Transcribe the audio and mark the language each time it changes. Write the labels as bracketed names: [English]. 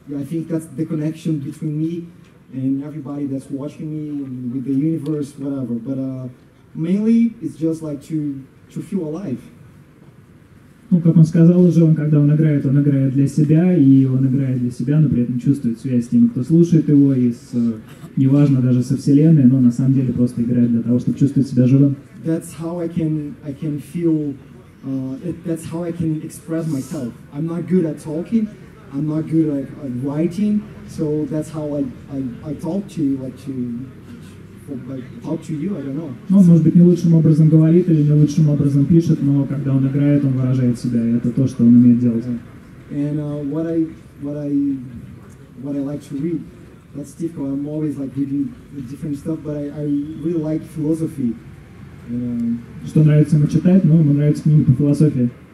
[English] I think that's the connection between me and everybody that's watching me and with the universe, whatever. But mainly, it's just like to feel alive. [Russian] Ну, как он сказал уже, когда он играет для себя, и он играет для себя, но при этом чувствует связь с теми, кто слушает его, и с, неважно даже со Вселенной, но на самом деле просто играет для того, чтобы чувствовать себя живым. [English] That's how I can feel. That's how I can express myself. I'm not good at talking. I'm not good at writing. So that's how I talk to you, like to talk to you. I don't know. [Russian] Ну, может быть, не лучшим образом говорит или не лучшим образом пишет, но когда он играет, он выражает себя. И это то, что он умеет делать. [English] And what I like to read. That's difficult. I'm always like reading different stuff, but I really like philosophy. [Russian] Что нравится ему читать? Ну, ему нравятся книги по философии.